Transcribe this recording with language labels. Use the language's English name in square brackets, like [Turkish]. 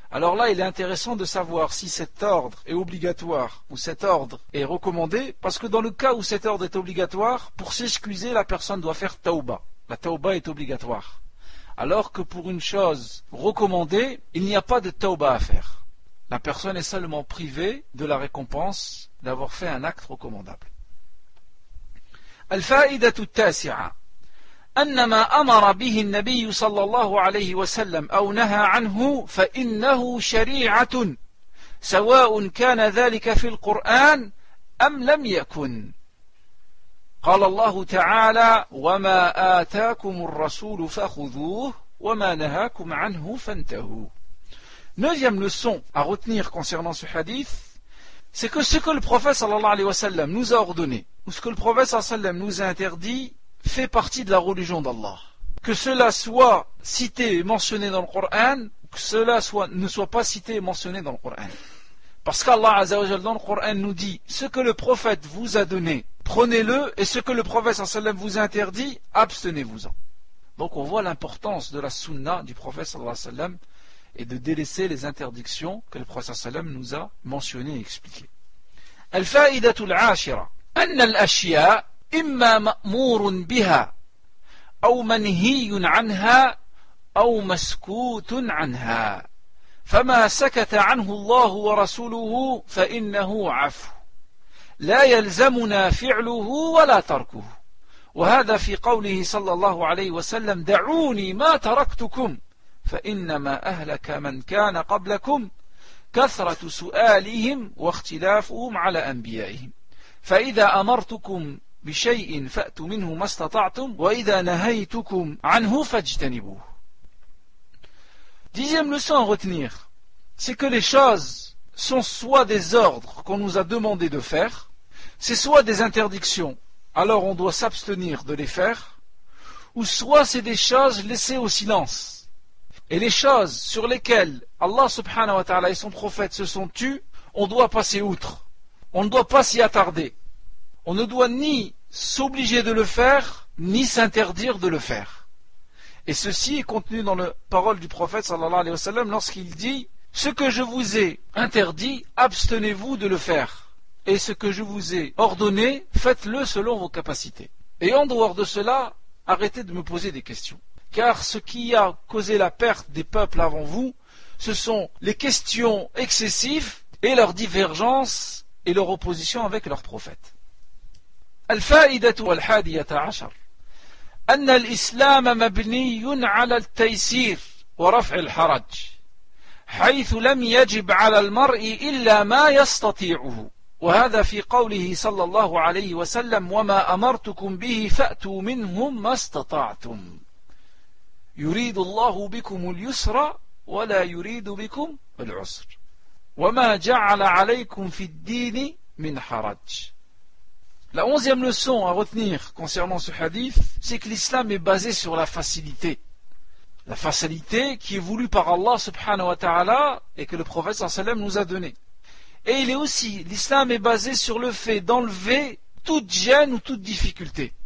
[French] Alors là, il est intéressant de savoir si cet ordre est obligatoire ou cet ordre est recommandé, parce que dans le cas où cet ordre est obligatoire, pour s'excuser, la personne doit faire tauba. La tauba est obligatoire. Alors que pour une chose recommandée, il n'y a pas de tauba à faire. La personne est seulement privée de la récompense d'avoir fait un acte recommandable. [Arabic] الفائدة التاسعة أن ما أمر به النبي صلى الله عليه وسلم أو نهى عنه فإنه شريعة سواء كان ذلك في القرآن أم لم يكن قال الله تعالى وما آتاكم الرسول فخذوه وما نهاكم عنه فانتهوا. [French] Neuvième leçon à retenir concernant ce hadith, c'est que ce que le prophète [Arabic] sallallahu alayhi wa sallam [French] nous a ordonné, ou ce que le prophète sallallahu alayhi wa sallam nous a interdit, fait partie de la religion d'Allah. Que cela soit cité et mentionné dans le Coran, ou que cela ne soit pas cité et mentionné dans le Coran. Parce qu'Allah [Arabic] azza wa jalla [French] dans le Coran nous dit, ce que le prophète vous a donné, prenez-le, et ce que le prophète [Arabic] sallallahu alayhi wa sallam [French] vous a interdit, abstenez-vous-en. Donc on voit l'importance de la sunna du prophète [Arabic] sallallahu alayhi wa sallam, [French] et de délaisser les interdictions que le prophète sallallahu alayhi wa sallam nous a mentionnées et expliquées. [Arabic] Al-fa'idatu al-ashira. أن الأشياء إما مأمور بها أو منهي عنها أو مسكوت عنها فما سكت عنه الله ورسوله فإنه عفو لا يلزمنا فعله ولا تركه وهذا في قوله صلى الله عليه وسلم دعوني ما تركتكم فإنما أهلك من كان قبلكم كثرة سؤالهم واختلافهم على أنبيائهم فإذا أمرتكم بشيء فأتوا منه ما استطعتم وإذا نهيتكم عنه فاجتنبوه. [French] Dixième leçon à retenir, c'est que les choses sont soit des ordres qu'on nous a demandé de faire, c'est soit des interdictions, alors on doit s'abstenir de les faire, ou soit c'est des choses laissées au silence. Et les choses sur lesquelles Allah [Arabic] subhanahu wa ta'ala [French] et son prophète se sont tus, on doit passer outre. On ne doit pas s'y attarder. On ne doit ni s'obliger de le faire, ni s'interdire de le faire. Et ceci est contenu dans la parole du prophète [Arabic] sallallahu alayhi wa sallam [French] lorsqu'il dit « Ce que je vous ai interdit, abstenez-vous de le faire. Et ce que je vous ai ordonné, faites-le selon vos capacités. Et en dehors de cela, arrêtez de me poser des questions. Car ce qui a causé la perte des peuples avant vous, ce sont les questions excessives et leurs divergences et leur opposition avec leur prophète. [Arabic] الفائدة الحادية عشر أن الإسلام مبني على التيسير ورفع الحرج حيث لم يجب على المرء إلا ما يستطيعه وهذا في قوله صلى الله عليه وسلم وما أمرتكم به فأتوا منهم ما استطعتم يريد الله بكم اليسر ولا يريد بكم العسر وَمَا جَعَلَ عَلَيْكُمْ فِي الدِّينِ مِنْ حَرَجِ. [French] La onzième leçon à retenir concernant ce hadith, c'est que l'islam est basé sur la facilité. La facilité qui est voulue par Allah [Arabic] subhanahu wa ta'ala [French] et que le prophète [Arabic] sallallahu alayhi wa sallam [French] nous a donné. Et il est aussi, l'islam est basé sur le fait d'enlever toute gêne ou toute difficulté.